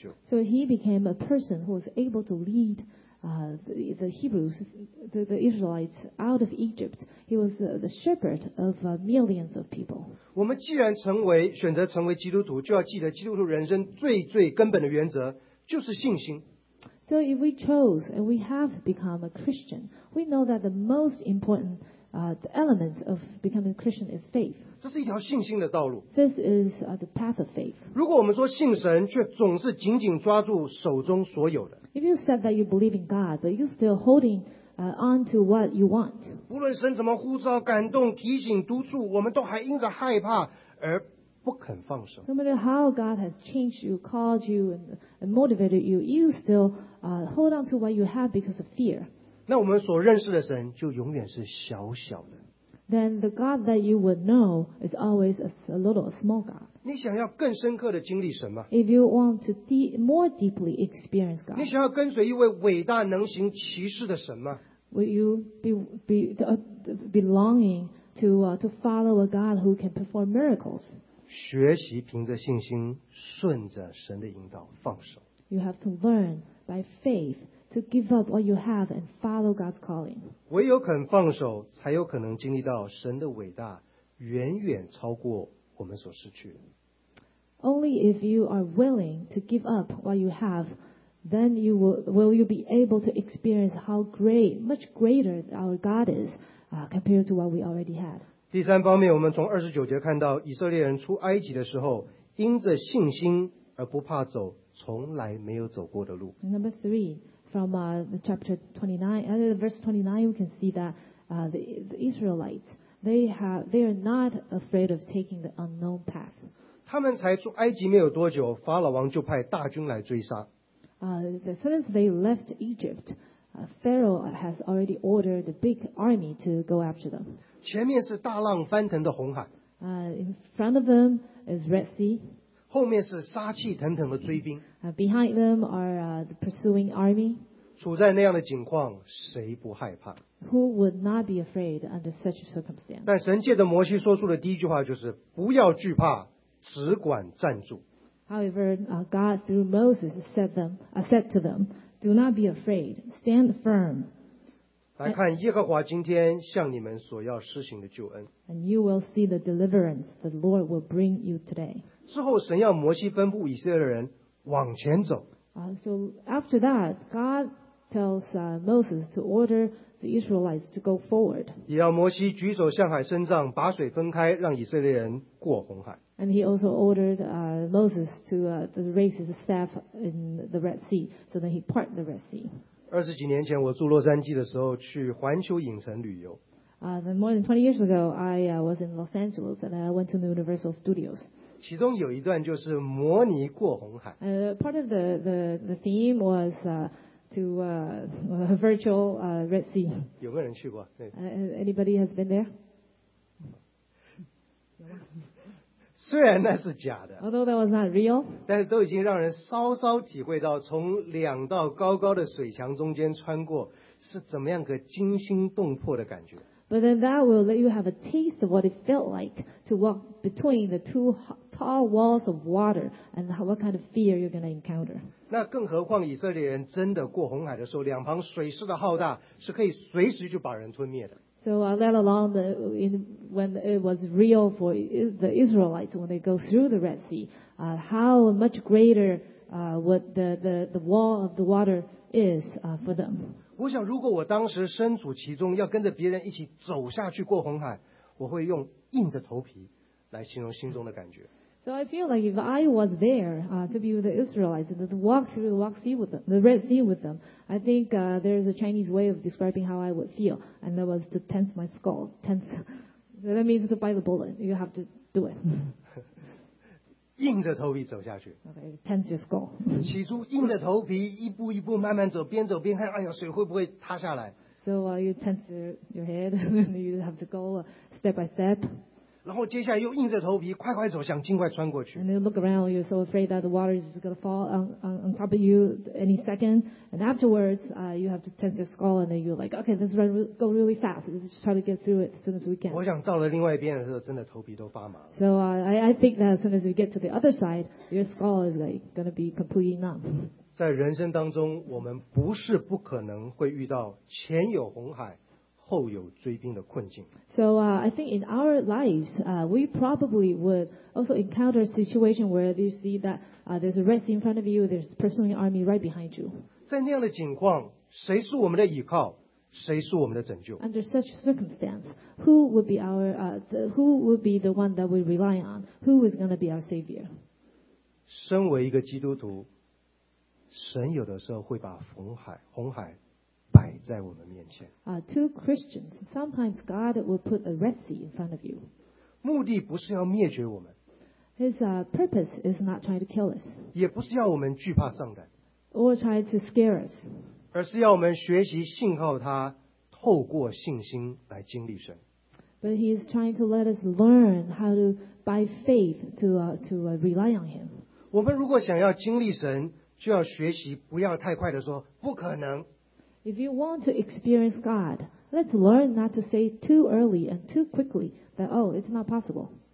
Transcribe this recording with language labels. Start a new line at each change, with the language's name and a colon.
English: So he became a person who was able to lead the Hebrews, the Israelites out of Egypt. He was the shepherd of millions of people.
Chinese: 我们既然成为选择成为基督徒，就要记得基督徒人生最最根本的原则就是信心。
English: So if we chose and we have become a Christian, we know that the most important element of becoming a Christian is faith.
Chinese: 这是一条信心的道路。
English: This is the path of faith.
Chinese: 如果我们说信神，却总是紧紧抓住手中所有的。
English: If you said that you believe in God, but you're still holding on to what you want.
Chinese: 不论神怎么呼召、感动、提醒、督促，我们都还因着害怕而。
English: No matter how God has changed you, called you, and motivated you, you still hold on to what you have because of fear.
Chinese: 那我们所认识的神就永远是小小的。
English: Then the God that you would know is always a small God.
Chinese: 你想要更深刻的经历神吗？
English: If you want to more deeply experience God.
Chinese: 你想要跟随一位伟大能行奇事的神吗？
English: Will you belonging to follow a God who can perform miracles?
Chinese: 学习凭着信心顺着神的引导放手。
English: You have to learn by faith to give up what you have and follow God's calling.
Chinese: 唯有肯放手，才有可能经历到神的伟大远远超过我们所失去的。
English: Only if you are willing to give up what you have, then you will you be able to experience how great, much greater our God is, compared to what we already had.
Chinese: 第三方面，我们从29节看到以色列人出埃及的时候，因着信心而不怕走从来没有走过的路。
English: Number three, from chapter 29, verse 29, we can see that the Israelites they are not afraid of taking the unknown path.
Chinese: 他们才出埃及没有多久，法老王就派大军来追杀。
English: As soon as they left Egypt, Pharaoh has already ordered a big army to go after them.
Chinese: 前面是大浪翻腾的红海。
English: In front of them is Red Sea.
Chinese: 后面是杀气腾腾的追兵。
English: Behind them are the pursuing army.
Chinese: 处在那样的境况，谁不害怕？
English: Who would not be afraid under such circumstance?
Chinese: 但神借着摩西说出的第一句话就是：不要惧怕，只管站住。
English: However, God through Moses said to them, "Do not be afraid. Stand firm."
Chinese: 来看耶和华今天向你们所要施行的救恩。
English: And you will see the deliverance the Lord will bring you today.
Chinese: 之后神要摩西吩咐以色列人往前走。
English: So after that, God tells Moses to order the Israelites to go forward.
Chinese: 也要摩西举手向海伸杖，把水分开，让以色列人过红海。
English: And he also ordered Moses to raise his staff in the Red Sea, so that he part the Red Sea.
Chinese: 二十几年前我住洛杉矶的时候去环球影城旅游。
English: More than 20 years ago, I was in Los Angeles and I went to the Universal Studios.
Chinese: 其中有一段就是摩尼过红海。
English: Part of the theme was virtual Red Sea.
Chinese: 有没有人去过？
English: Anybody has been there?
Chinese: 虽然那是假的，
English: although that was not real,
Chinese: 但是都已经让人稍稍体会到从两道高高的水墙中间穿过是怎么样个惊心动魄的感觉。
English: But then that will let you have a taste of what it felt like to walk between the two tall walls of water and what kind of fear you're going to encounter.
Chinese: 那更何况以色列人真的过红海的时候，两旁水势的浩大是可以随时就把人吞灭的。
English: So let alone when it was real for the Israelites when they go through the Red Sea, how much greater what the wall of the water is for them.
Chinese: 我想如果我当时身处其中，要跟着别人一起走下去过红海，我会用硬着头皮来形容心中的感觉。
English: So So I feel like if I was there to be with the Israelites and to walk through the Red Sea with them, I think there is a Chinese way of describing how I would feel, and that was to tense my skull. Tense. So that means to bite the bullet. You have to do it.
Chinese: 硬着头皮走下去。
English: Okay, tense your skull.
Chinese: 起初硬着头皮，一步一步慢慢走，边走边看，哎呀，水会不会塌下来
English: ？So you tense your head, and you have to go step by step.
Chinese: 然后接下来又硬着头皮快快走，想尽快穿过去。
English: And you look around, you're so afraid that the water is going to fall on top of you any second. And afterwards, you have to tense your skull, and then you're like, okay, let's run, go really fast, let's just try to get through it as soon as we can.
Chinese: 我想到了另外一边的时候，真的头皮都发麻了。
English: So I think that as soon as we get to the other side, your skull is like going to be completely numb.
Chinese: 在人生当中，我们不是不可能会遇到前有红海。后有追兵的困境。
English: So I think in our lives, we probably would also encounter a situation where you see that there's a red sea in front of you, there's personal army right behind you.
Chinese: 在那样的情况，谁是我们的依靠？谁是我们的拯救
English: ？Under such circumstance, who would be our who would be the one that we rely on? Who is going to be our savior?
Chinese: 身为一个基督徒，神有的时候会把红海。摆在我们面前。
English: Two Christians, sometimes God will put a red sea in front of you.
Chinese: 目的不是要灭绝我们。
English: His purpose is not trying to kill us.
Chinese: 也不是要我们惧怕上帝。
English: Or try to scare us.
Chinese: 而是要我们学习信靠他，透过信心来经历神。
English: But he is trying to let us learn how to by faith to rely on him.
Chinese: 我们如果想要经历神，就要学习不要太快的说不可能。
English: If you want to experience God, let's learn not to say too early and too quickly that, oh, it's not possible.